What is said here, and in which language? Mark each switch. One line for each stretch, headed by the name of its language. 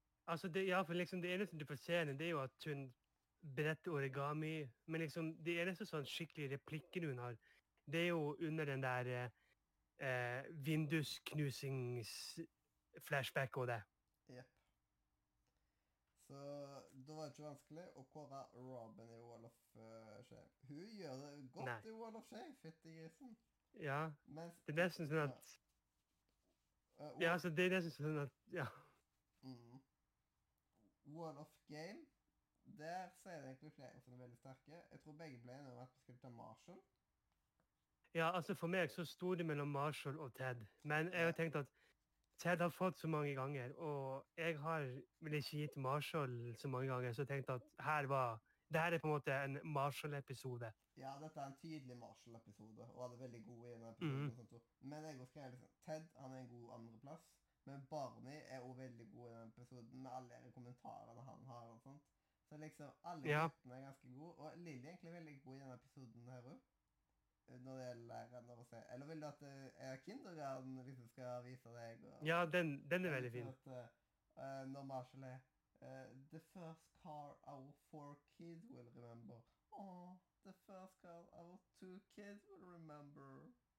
Norwegian: Altså, for liksom, det eneste du får se henne, det jo at hun bretter origami, men liksom, det eneste sånn skikkelig replikken hun har, det jo under den der vindusknusings-flashback og det. Jep. Så, det var ikke vanskelig å kåre Robin I Wall of Shame. Hun gjør det godt Nei. I Wall of Shame, fitte grisen. Ja, mens, det nesten sånn at ja, altså, det nesten sånn at, ja. Wall of Game, der ser jeg egentlig flere som veldig sterke. Jeg tror begge ble enige om at vi skulle ta Marshall. Ja, altså, for meg så sto det mellom Marshall og Ted. Men jeg har tenkt at Ted har fått så mange ganger, og jeg har vel ikke gitt Marshall så mange ganger, så jeg tenkte at her var, det her på en måte en Marshall-episode. Ja, dette en tydelig Marshall-episode, og hadde veldig god i denne episoden. Mm-hmm. Men jeg husker jeg liksom, Ted han en god andreplass, men Barney også veldig god i denne episoden, med alle de kommentarene han har og sånt. Så liksom, alle guttene ganske gode, og Lily egentlig veldig god i denne episoden her også. Når det gjelder læreren å se. Eller vil du at kindergarten liksom skal vise deg? Og, ja, den veldig fin. At, når
English: Marshall the first car our four kids will remember. Oh, the first car our two kids will remember.